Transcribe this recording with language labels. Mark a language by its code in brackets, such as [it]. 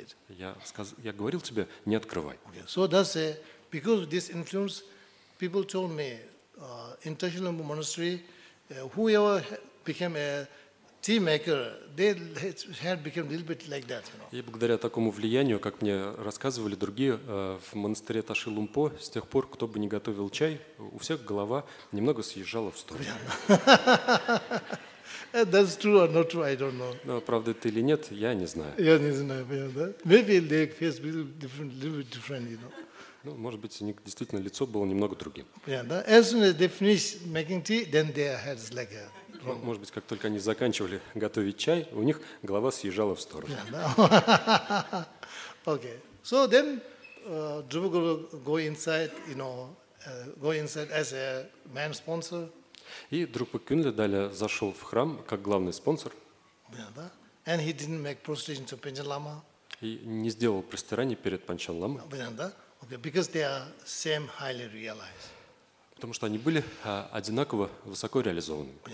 [ru] Я говорил тебе, не открывай. [en] So that's because of this influence, people told me, intentional monastery, whoever became a tea maker, they had become a little bit like that. [ru] И благодаря такому влиянию, как мне рассказывали другие, в монастыре Таши Лумпо, с тех пор, кто бы не готовил чай, у всех голова немного съезжала в сторону. [en] That's true or not true, I don't know. [ru] Но правда это или нет, я не знаю. Я не знаю, да? [en] Maybe they face a little bit different, you know. [ru] Ну, может быть, у них действительно лицо было немного другим. [en] As soon as they finish making tea, then their heads like a... [ru] Может быть, как только они заканчивали готовить чай, у них голова съезжала в сторону. [en] Okay. So then, Drupa Guru go inside, you know, go inside as a main sponsor. [ru] И Drupa Kunle далее зашел в храм как главный спонсор. [en] And he didn't make prostration to Panchen Lama. [ru] И не сделал простирание перед Панчен Лама. [en] Okay, because they are same highly realized. [ru] Потому что они были одинаково высоко реализованы.